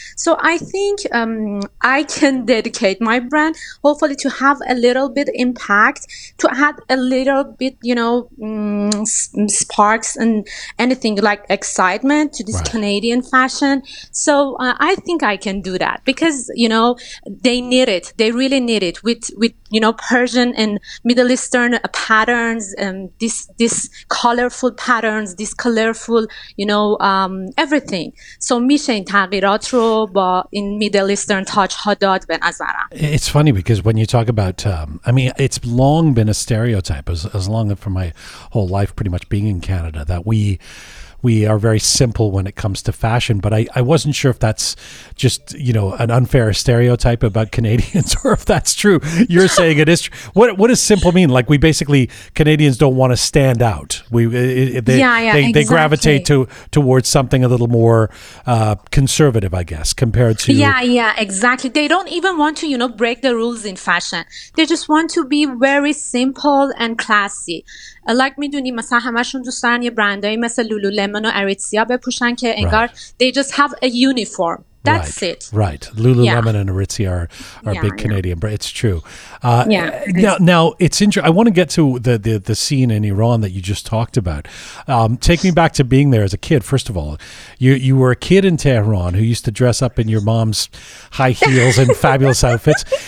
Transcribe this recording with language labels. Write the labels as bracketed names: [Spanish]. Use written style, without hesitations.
[English] So I think I can dedicate my brand, hopefully, to have a little bit impact, to add a little bit, you know, sparks and anything like excitement to this, right, Canadian fashion. So I think I can do that, because, you know, they need it. They really need it with you know, Persian and Middle Eastern patterns, and this colorful patterns, this colorful, you know, everything. So [Persian] میشه این تغییرات رو با این [English] Middle Eastern touch [Persian] ها داد به نظرم. [English] It's funny because when you talk about, I mean, it's long been a stereotype as long as for my whole life, pretty much being in Canada, that we are very simple when it comes to fashion. But I wasn't sure if that's just, you know, an unfair stereotype about Canadians or if that's true. You're saying it is true. What does simple mean? Like, we basically, Canadians don't want to stand out. Exactly. They gravitate towards something a little more conservative, I guess, compared to... Yeah, exactly. They don't even want to, you know, break the rules in fashion. They just want to be very simple and classy. Like, [Persian] میدونی مثلا همشون دوست دارن یه برندای مثل لولولمون و اریتسیا بپوشن که انگار, [English] right, they just have a uniform. That's right. It. Right. Lululemon, yeah, and Aritzia are big Canadian, but it's true. Now it's interesting. I want to get to the scene in Iran that you just talked about. Take me back to being there as a kid. First of all, you were a kid in Tehran who used to dress up in your mom's high heels and fabulous outfits.